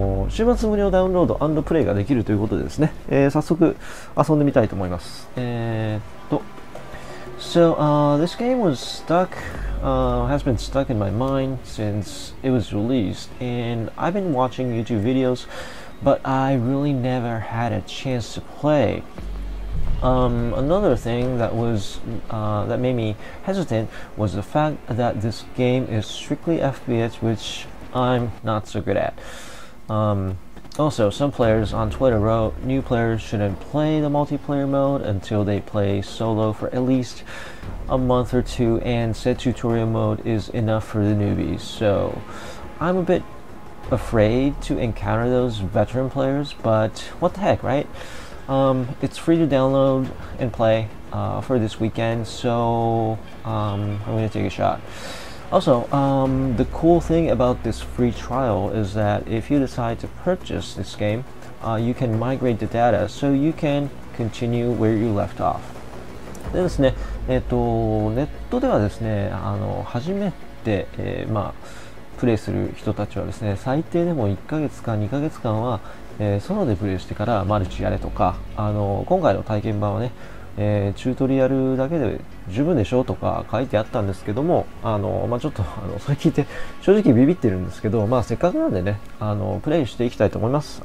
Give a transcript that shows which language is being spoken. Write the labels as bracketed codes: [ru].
[ja] 週末無料ダウンロード&プレイができるということでですね、早速遊んでみたいと思います。 [en] So, this game was stuck, has been stuck in my mind since it was released, and I've been watching YouTube videos, but I really never had a chance to play. Another thing that was, that made me hesitant was the fact that this game is strictly FPS, which I'm not so good at. Also, some players on Twitter wrote, new players shouldn't play the multiplayer mode until they play solo for at least a month or two, and said tutorial mode is enough for the newbies. So, I'm a bit afraid to encounter those veteran players, but what the heck, right? It's free to download and play for this weekend, so I'm going to take a shot. Also, the cool thing about this free trial is that if you decide to purchase this game, you can migrate the data so you can continue where you left off. [ja] でですね、ネットではですね、初めて、プレイする人たちはですね、最低でも1ヶ月か2ヶ月間は、ソロでプレイしてからマルチやれとか、今回の体験版はね、チュートリアルだけで十分でしょうとか書いてあったんですけども、ちょっと、それ聞いて正直ビビってるんですけど、せっかくなんでね、プレイしていきたいと思います。